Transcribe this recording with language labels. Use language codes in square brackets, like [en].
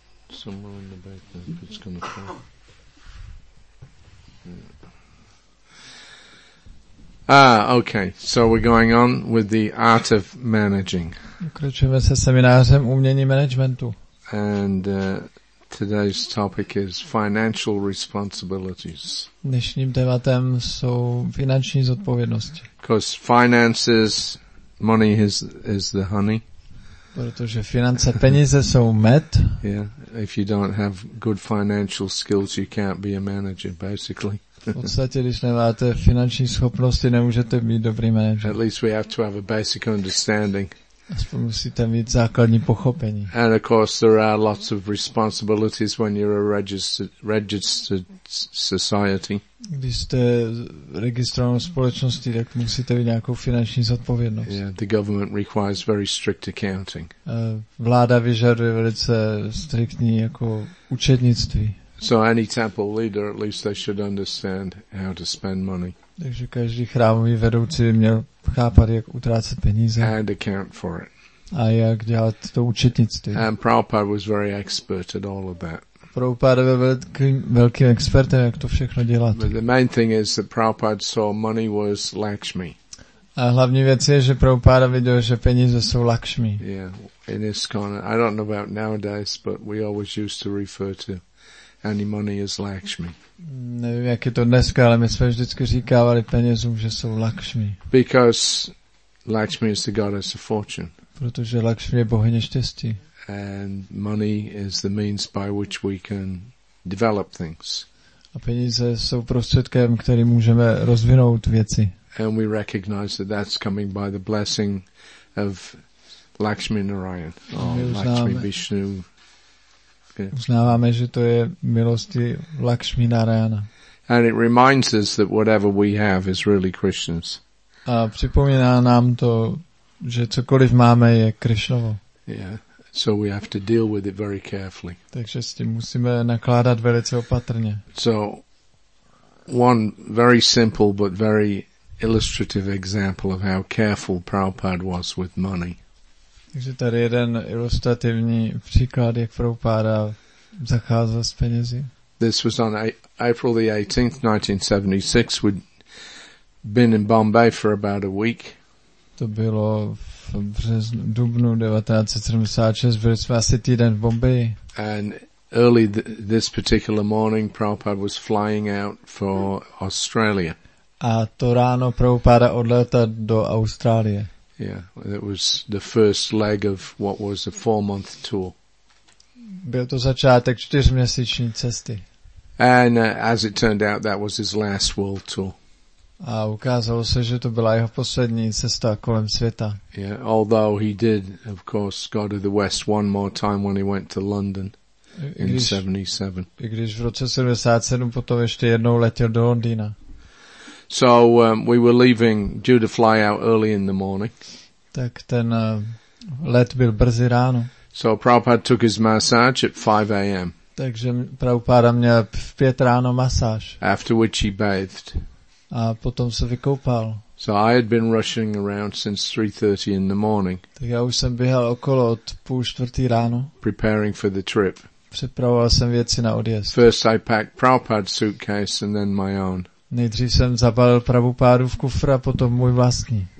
[en] Somewhere in the back there, it's going to fall. Okay, so we're going on with the art of managing. [cs] Pokračujeme se seminářem umění managementu. [en] And today's topic is financial responsibilities. [cs] Dnešním tématem jsou finanční zodpovědnosti. [en] Because finances, money is the honey. [cs] Protože finance, peníze jsou med. [en] Yeah, if you don't have good financial skills, you can't be a manager, basically. [cs] V podstatě, když nemáte finanční schopnosti, nemůžete být dobrý manažer. [en] At least we have to have a basic understanding. [cs] Aspoň musíte mít základní pochopení. [en] And of course there are lots of responsibilities when you're a registered society. [cs] Když jste registrovanou společností, tak musíte mít nějakou finanční zodpovědnost. [en] Yeah, the government requires very strict accounting. [cs] Vláda vyžaduje velice striktní jako účetnictví. [en] So any temple leader, at least they should understand how to spend money. [cs] Takže každý chrámový vedoucí by měl chápat, jak utrácet peníze. [en] And account for it. [cs] A jak dělat to účetnictví. [en] And Prabhupada was very expert at all of that. [cs] Prabhupada byl velkým expertem, jak to všechno dělat. [en] But the main thing is that Prabhupada saw money was Lakshmi. [cs] A hlavní věc je, že Prabhupada viděl, že peníze jsou Lakshmi. [en] Yeah, in ISKCON, I don't know about nowadays, but we always used to refer to any money is Lakshmi. [cs] Nevím, jak je to dneska, ale my jsme vždycky říkávali penězům, že jsou Lakshmi. [en] Because Lakshmi is the goddess of fortune. [cs] Protože Lakshmi je bohyně štěstí. [en] And money is the means by which we can develop things. [cs] A peníze jsou prostředkem, kterým můžeme rozvinout věci. [en] And we recognize that that's coming by the blessing of Lakshmi Narayan. Lakshmi Vishnu. [cs] Yeah. Uznáváme, že to je milosti Lakshmi Narayana. [en] And it reminds us that whatever we have is really Krishna's. [cs] A připomíná nám to, že cokoliv máme je Krishnovo. [en] Yeah. So we have to deal with it very carefully. [cs] Takže s tím musíme nakládat velice opatrně. [en] So one very simple but very illustrative example of how careful Prabhupada was with money. [cs] Takže tady jeden ilustrativní příklad, jak Prabhupada zacházel s penězi. [en] This was on April 18th, 1976. We'd been in Bombay for about a week. [cs] To bylo v březnu, dubnu 1976, byli jsme asi týden v Bombay. [en] And early this particular morning, Prabhupada was flying out for Australia. [cs] A to ráno Prabhupada odletěl do Austrálie. [en] Yeah, it was the first leg of what was a 4-month tour. [cs] Byl to začátek 4-měsíční cesty. [en] And as it turned out, that was his last world tour. [cs] A ukázalo se, že to byla jeho poslední cesta kolem světa. [en] Yeah, although he did, of course, go to the West one more time when he went to London in 77. [cs] I když v roce 77 potom ještě jednou letěl do Londýna. [en] So we were leaving due to fly out early in the morning. [cs] Tak ten let byl brzy ráno. [en] So Prabhupada took his massage at 5 a.m. [cs] Takže Prabhupada měl v 5 ráno masáž. [en] After which he bathed. [cs] A potom se vykoupal. [en] So I had been rushing around since 3:30 in the morning. [cs] Tak já už jsem běhal okolo od 3:30 ráno. [en] Preparing for the trip. [cs] Připravoval jsem věci na odjezd. [en] First I packed Prabhupada's suitcase and then my own. [cs] Nejdřív jsem zabalil Prabhupádu v kufr a potom můj vlastní.